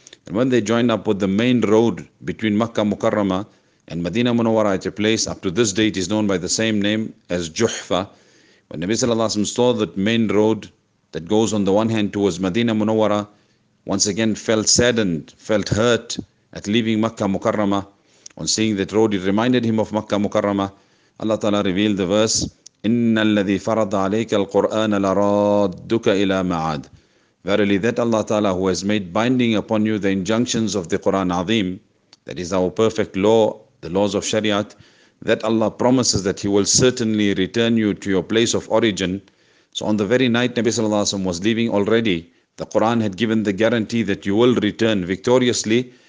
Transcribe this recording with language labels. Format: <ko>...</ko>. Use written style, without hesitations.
<en>And when they join up with the main road between Makkah Mukarrama and Medina Munawwara at a place, up to this day it is known by the same name as Juhfa. When Nabi sallallahu alaihi wasallam saw that main road that goes on the one hand towards Medina Munawwara, once again felt saddened, felt hurt at leaving Makkah Mukarrama. On seeing that road, it reminded him of Makkah Mukarrama. Allah Ta'ala revealed the verse,</en> <ar>إِنَّ الَّذِي فَرَضَ عَلَيْكَ الْقُرْآنَ لَرَادُّكَ إِلَى مَعَادٍ.</ar> <en>Verily, that Allah Ta'ala who has made binding upon you the injunctions of the Qur'an Azim, that is our perfect law, the laws of Shariat, that Allah promises that He will certainly return you to your place of origin. So on the very night Nabi Sallallahu Alaihi Wasallam was leaving already, the Qur'an had given the guarantee that you will return victoriously.</en>